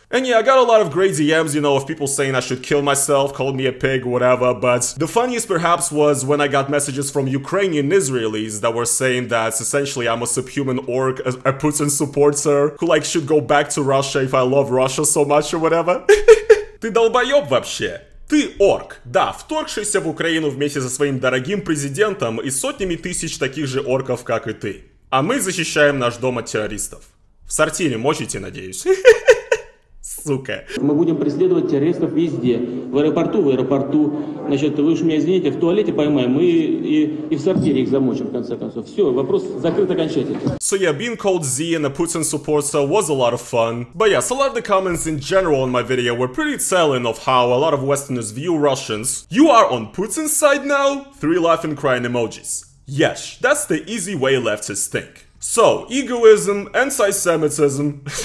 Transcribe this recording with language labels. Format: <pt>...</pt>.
<en>And yeah, I got a lot of great DMs, you know, of people saying I should kill myself, calling me a pig, whatever, but the funniest perhaps was when I got messages from Ukrainian Israelis that were saying that essentially I'm a subhuman orc, a Putin supporter, who like should go back to Russia if I love Russia so much or whatever.</en> <ru>Ты долбоёб вообще? Ты орк, да, вторгшийся в Украину вместе со своим дорогим президентом и сотнями тысяч таких же орков, как и ты. А мы защищаем наш дом от террористов. В сортире мочите, надеюсь. Сука. Мы будем преследовать террористов везде. В аэропорту, значит, вы уж меня извините, в туалете поймаем, мы и в сортире их замочим, в конце концов. Все, вопрос закрыт окончательно.</ru> <en>So yeah, being called Z and a Putin supporter was a lot of fun. But yeah, so a lot of the comments in general on my video were pretty telling of how a lot of Westerners view Russians. You are on Putin's side now? Three laughing crying emojis. Yes, that's the easy way leftists think. So, egoism, anti-Semitism.</en>